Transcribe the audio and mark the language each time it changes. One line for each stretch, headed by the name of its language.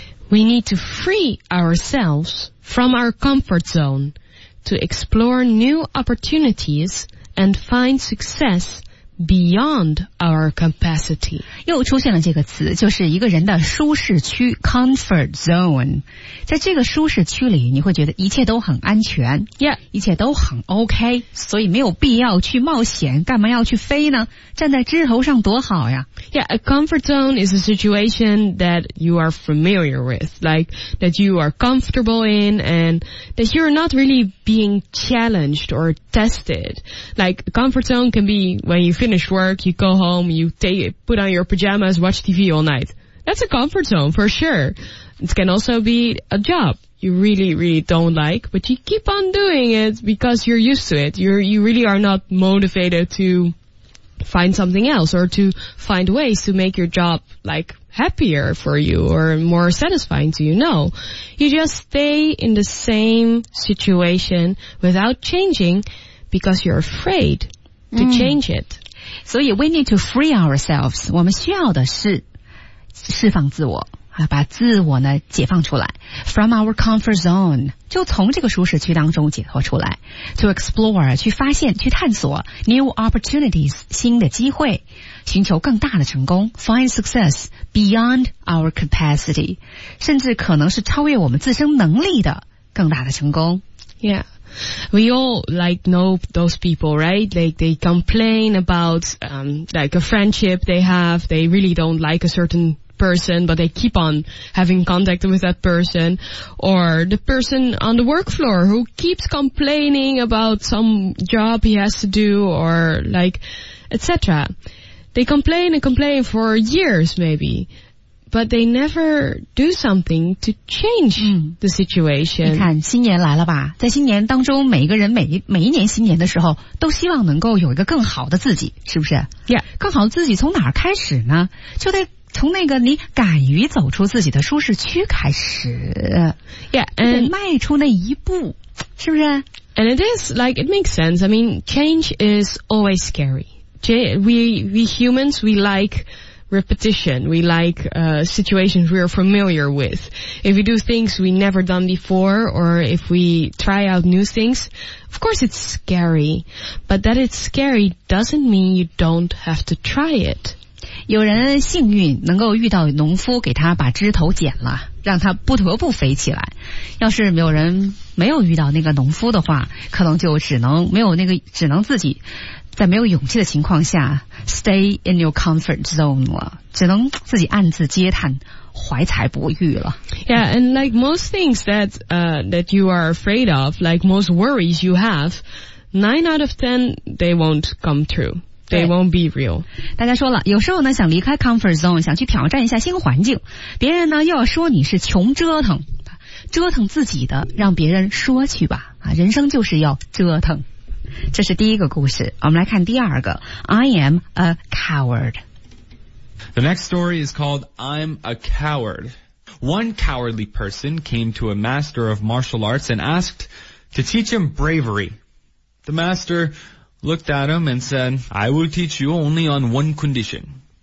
English: We need to free ourselves from our comfort zone to explore new opportunities and find success beyond our capacity.
Chinese: 又出现了这个词，就是一个人的舒适区 comfort zone. 在这个舒适区里，你会觉得一切都很安全，
English: yeah.
Chinese: 一切都很 OK, 所以没有必要去冒险，干嘛要去飞呢？站在枝头上多好呀。
English: Yeah, a comfort zone is a situation that you are familiar with, like that you are comfortable in and that you're not really being challenged or tested. Like a comfort zone can be when you finish work, you go home, put on your pajamas, watch TV all night. That's a comfort zone for sure. It can also be a job you really, really don't like, but you keep on doing it because you're used to it. You really are not motivated to find something else or to find ways to make your job like happier for you or more satisfying to you. No, you just stay in the same situation without changing because you're afraid to change it. So we need to free ourselves.
Chinese: 我们需要的是释放自我，把自我呢解放出来。
English: From our comfort zone,
Chinese: 就从这个舒适区当中解脱出来。
English: To explore,
Chinese: 去发现，去探索
English: new opportunities,
Chinese: 新的机会，寻求更大的成功。
English: Find success beyond our capacity,
Chinese: 甚至可能是超越我们自身能力的更大的成功。
English: Yeah. We all like know those people, right? Like they complain about like a friendship they have. They really don't like a certain person, but they keep on having contact with that person. Or the person on the work floor who keeps complaining about some job he has to do or like etc. They complain and complain for years maybe. But they never do something to change the situation.
Chinese: 你看，新年来了吧？在新年当中，每一个人每一年新年的时候，都希望能够有一个更好的自己，是不是
English: ？Yeah，
Chinese: 更好的自己从哪儿开始呢？就得从那个你敢于走出自己的舒适区开始。
English: Yeah， and
Chinese: 迈出那一步，是不是
English: ？And it is like it makes sense. I mean, change is always scary. We humans, we like. Repetition. We like, situations we are familiar with. If we do things we never done before, or if we try out new things, of course it's scary. But that it's scary doesn't mean you don't have to try it.
Chinese: 有人幸运能够遇到农夫给他把枝头剪了，让他不得不飞起来。要是没有人没有遇到那个农夫的话，可能就只能没有那个，只能自己在没有勇气的情况下
English: stay in your comfort zone
Chinese: 了，只能自己暗自嗟叹，怀才不遇了。
English: Yeah, and like most things that that you are afraid of, like most worries you have, 9 out of 10 they won't come true. They won't be real.
Chinese: 大家说了，有时候呢想离开 comfort zone, 想去挑战一下新环境，别人呢又要说你是穷折腾，折腾自己的，让别人说去吧。啊，人生就是要折腾。这是第一个故事，我们来看第二个。
English: I am a coward. The next story is called I'm a coward. One cowardly person came to a master of martial arts and asked to teach him bravery. The master looked at him and said, I will teach you only on one condition.